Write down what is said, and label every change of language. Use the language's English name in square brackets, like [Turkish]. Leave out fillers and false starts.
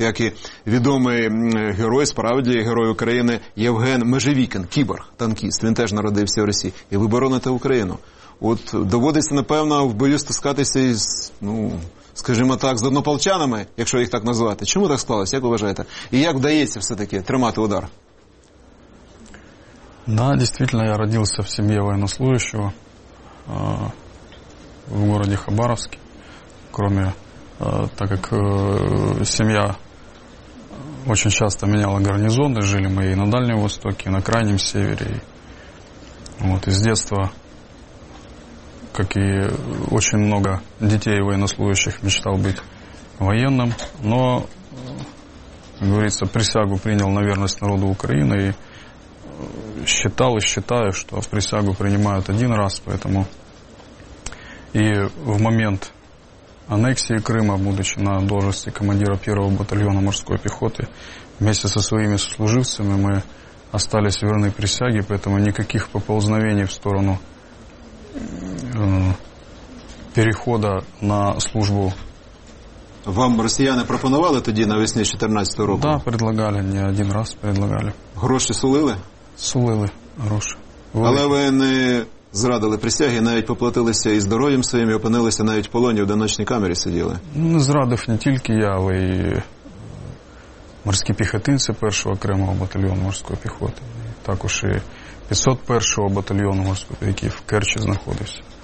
[Ukrainian] Як і відомий герой, справді герой України Євген Межевікін, кіборг, танкіст. Він теж народився в Росії. І ви бороните Україну. От доводиться, напевно, в бою стискатися із, ну, скажімо так, з однополчанами, якщо їх так назвати. Чому так склалося, як ви вважаєте? І як вдається все-таки тримати удар? [Russian] Да, действительно, я родился в семье военнослужащего в городе Хабаровске. Кроме, так как семья очень часто меняла гарнизоны, жили мы и на Дальнем Востоке, и на Крайнем Севере. И, вот, из детства, как и очень много детей военнослужащих, мечтал быть военным. Но, как говорится, присягу принял на верность народу Украины и считал и считаю, что присягу принимают один раз, поэтому и в момент аннексии Крыма, будучи на должности командира 1-го батальона морской пехоты, вместе со своими сослуживцами мы остались верны присяге, поэтому никаких поползновений в сторону перехода на службу. [Ukrainian] Вам росіяни пропонували тоді навесні 2014 року? [Russian] Да, предлагали, не один раз предлагали. [Ukrainian] Гроші сулили? Сулили гроші. Але ви не зрадили присяги, навіть поплатилися і здоров'ям своїм, і опинилися навіть в полоні, в одиночній камері сиділи. Не зрадив не тільки я, але й морські піхотинці 1-го окремого батальйону морської піхоти. Також і 501-го батальйону морської піхоти, який в Керчі знаходився.